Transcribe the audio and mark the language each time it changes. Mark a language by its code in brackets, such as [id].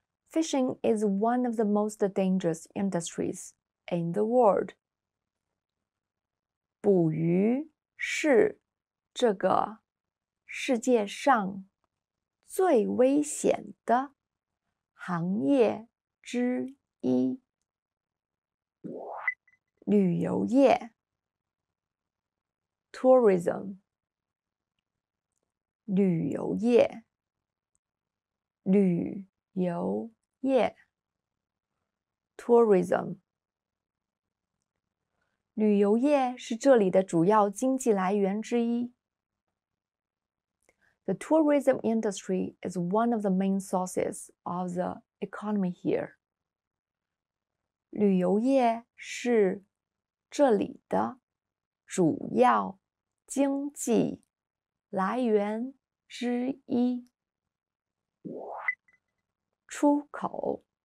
[en] Fishing is one of the most dangerous industries in the world. [zh] 捕鱼是这个世界上最危险的行业之一。旅游业 [en] Tourism [zh] 旅游业旅游业 [en] Tourism [zh] 旅游业是这里的主要经济来源之一。 [en] The tourism industry is one of the main sources of the economy here. [zh] 旅游业是这里的主要经济来源之一。出口